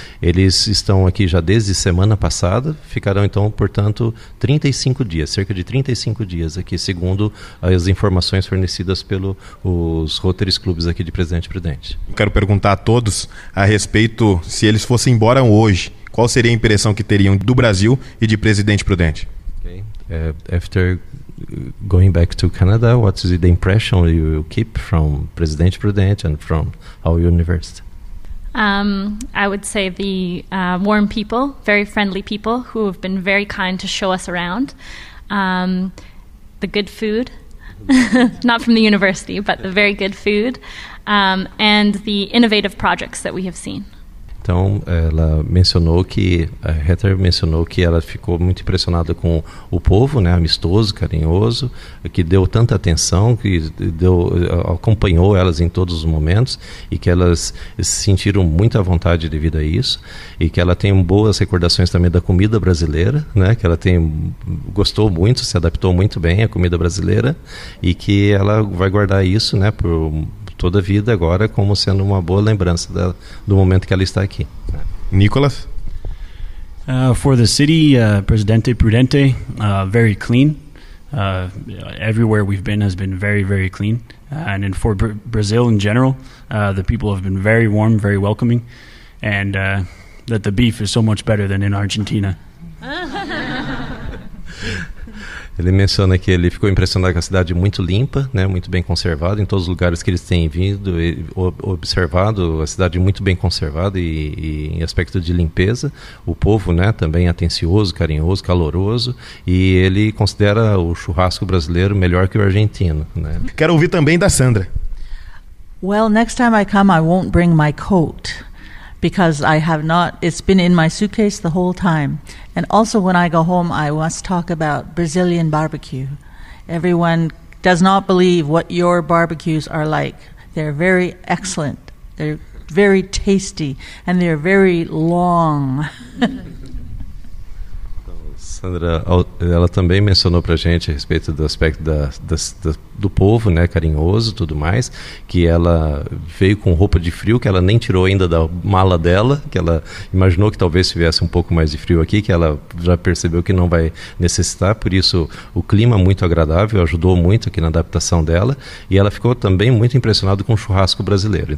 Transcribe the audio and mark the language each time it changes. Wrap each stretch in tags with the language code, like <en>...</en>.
<pt>Eles estão aqui já desde semana passada, ficarão, então, portanto, 35 dias aqui, segundo as informações fornecidas pelos Rotary Clubes aqui de Presidente Prudente. Eu quero perguntar a todos a respeito, se eles fossem embora hoje, qual seria a impressão que teriam do Brasil e de Presidente Prudente?</pt> <en>Okay. After going back to Canada, what is the impression you keep from Presidente Prudente and from our university? I would say the warm people, very friendly people who have been very kind to show us around. The good food, not from the university, but the very good food, and the innovative projects that we have seen.</en> <pt>Então, ela mencionou que, a Heather mencionou que ela ficou muito impressionada com o povo, né, amistoso, carinhoso, que deu tanta atenção, que deu, acompanhou elas em todos os momentos, e que elas se sentiram muito à vontade devido a isso, e que ela tem boas recordações também da comida brasileira, né, que ela gostou muito, se adaptou muito bem à comida brasileira, e que ela vai guardar isso, né, por toda a vida agora, como sendo uma boa lembrança do momento que ela está aqui. Nicolas?</pt> <en>For the city, Presidente Prudente, very clean. Everywhere we've been has been very, very clean. And then for Brazil in general, the people have been very warm, very welcoming. And that the beef is so much better than in Argentina.</en> <pt>Ele menciona que ele ficou impressionado com a cidade muito limpa, né, muito bem conservada, em todos os lugares que eles têm vindo e observado, a cidade muito bem conservada e em aspecto de limpeza. O povo, né, também atencioso, carinhoso, caloroso, e ele considera o churrasco brasileiro melhor que o argentino. Né. Quero ouvir também da Sandra.</pt> <en>Well, next time I come, I won't bring my coat, because I have not, it's been in my suitcase the whole time. And also when I go home, I must talk about Brazilian barbecue. Everyone does not believe what your barbecues are like. They're very excellent, they're very tasty, and they're very long.</en> <pt>Sandra, ela também mencionou para a gente a respeito do aspecto do povo, né, carinhoso e tudo mais, que ela veio com roupa de frio, que ela nem tirou ainda da mala dela, que ela imaginou que talvez tivesse um pouco mais de frio aqui, que ela já percebeu que não vai necessitar, por isso o clima muito agradável ajudou muito aqui na adaptação dela, e ela ficou também muito impressionada com o churrasco brasileiro.</pt>